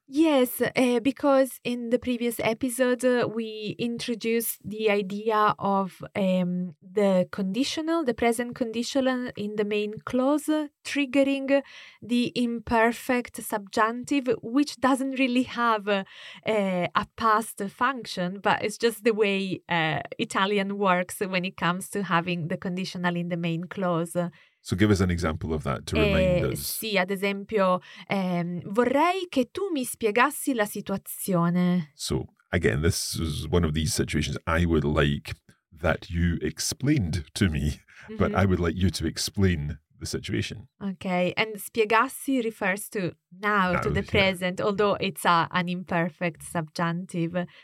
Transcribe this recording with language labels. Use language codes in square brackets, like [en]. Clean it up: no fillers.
[en] Yes, because in the previous episode we introduced the idea of the conditional, the present conditional in the main clause, triggering the imperfect subjunctive, which doesn't really have a past function, but it's just the way Italian works when it comes to having the conditional in the main clause. So give us an example of that to remind us. [it] Sì, ad esempio, vorrei che tu mi spiegassi la situazione. [en] So, again, this is one of these situations. I would like that you explained to me, but I would like you to explain the situation. Okay, and spiegassi refers to now, to the present, although it's an imperfect subjunctive.